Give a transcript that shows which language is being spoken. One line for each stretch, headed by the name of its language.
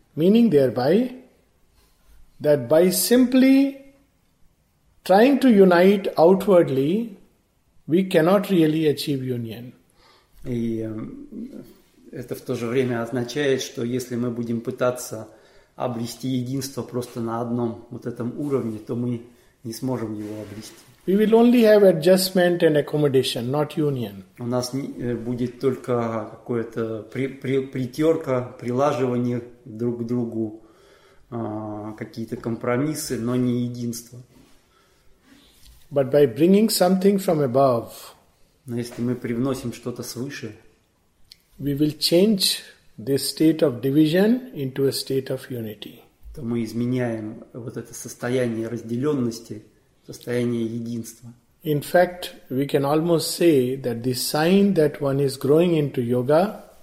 English: Meaning thereby, that by simply trying to unite outwardly, we cannot really achieve union.
Russian: И это в то же время означает, что если мы будем пытаться обрести единство просто на одном вот этом уровне, то мы не сможем его обрести.
English: We will only have adjustment and accommodation, not union.
Russian: У нас будет только какое-то притерка, прилаживание друг к другу, какие-то компромиссы, но не единство.
English: But by bringing something from above,
Russian: но если мы привносим что-то свыше,
English: we will change this state of division into a state of unity.
Russian: То мы изменяем вот это состояние разделенности, состояние единства.
English: In fact, we can almost say that the sign that one is growing into yoga,